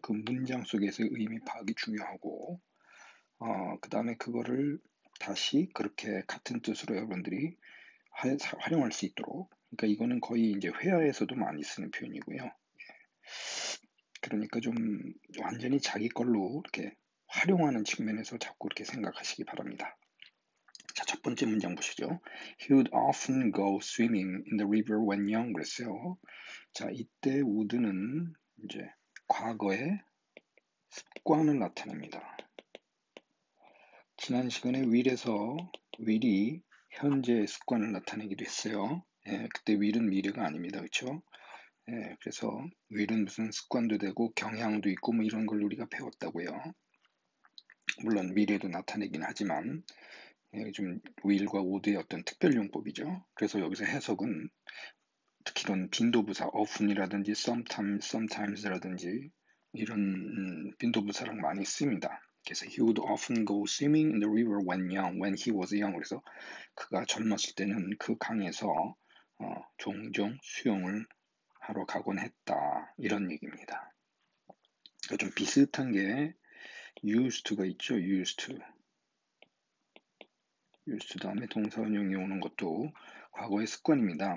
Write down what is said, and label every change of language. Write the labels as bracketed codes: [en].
[ko] 그 문장 속에서의 의미 파악이 중요하고 그 다음에 그거를 다시 그렇게 같은 뜻으로 여러분들이 활용할 수 있도록. 그러니까 이거는 거의 이제 회화에서도 많이 쓰는 표현이고요. 그러니까 좀 완전히 자기 걸로 이렇게 활용하는 측면에서 자꾸 이렇게 생각하시기 바랍니다. 자, 첫 번째 문장 보시죠. [en] He would often go swimming in the river when young. [ko] 그랬어요. 자, 이때 would는 이제 과거의 습관을 나타냅니다. 지난 시간에 will에서 will이 현재의 습관을 나타내기도 했어요. 예, 그때 will은 미래가 아닙니다. 그렇죠? 예, 그래서 will은 무슨 습관도 되고 경향도 있고 뭐 이런 걸 우리가 배웠다고요. 물론 미래도 나타내긴 하지만 예, 좀 will과 would의 어떤 특별 용법이죠. 그래서 여기서 해석은 특히 이런 빈도부사 often이라든지 sometimes라든지 이런 빈도부사랑 많이 씁니다. 그래서 [en] he would often go swimming in the river when he was young. [ko] 그래서 그가 젊었을 때는 그 강에서 종종 수영을 하러 가곤 했다. 이런 얘기입니다. 좀 비슷한 게 used to가 있죠. used to. used to 다음에 동사 운용이 오는 것도 과거의 습관입니다.